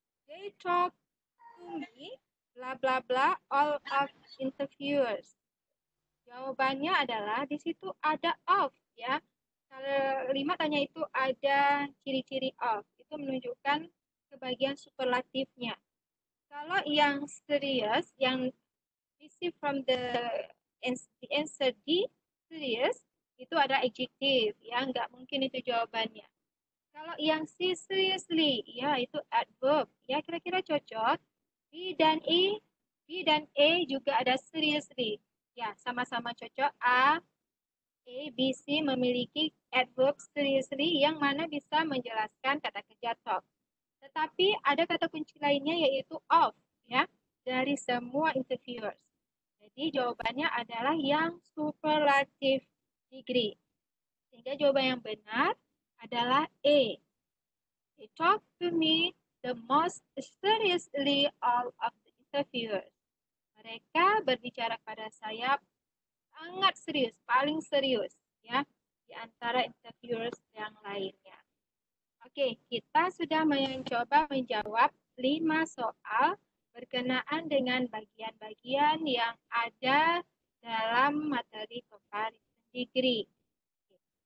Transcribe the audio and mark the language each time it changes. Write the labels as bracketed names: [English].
[English] They talk to me, blah, blah, blah, all of interviewers. [Indonesian] Jawabannya adalah di situ ada of ya. Kalau 5 tanya itu ada ciri-ciri of. Itu menunjukkan kebagian superlatifnya. Kalau yang serious, yang [English] received from the answer D, [Indonesian] serious, itu ada adjective, ya, nggak mungkin itu jawabannya. Kalau yang C, seriously, ya, itu adverb, ya, kira-kira cocok. B dan A juga ada seriously, ya, sama-sama cocok. A, B, C memiliki adverb seriously yang mana bisa menjelaskan kata kerja talk. Tetapi ada kata kunci lainnya yaitu of, ya, dari semua interviewers. Jadi jawabannya adalah yang superlative degree. Sehingga jawaban yang benar adalah A. [English] They talk to me the most seriously all of the interviewers. [Indonesian] Mereka berbicara pada saya sangat serius, paling serius, ya, di antara interviewers yang lainnya. Oke, kita sudah mencoba menjawab 5 soal berkenaan dengan bagian-bagian yang ada dalam materi comparison degree. Oke.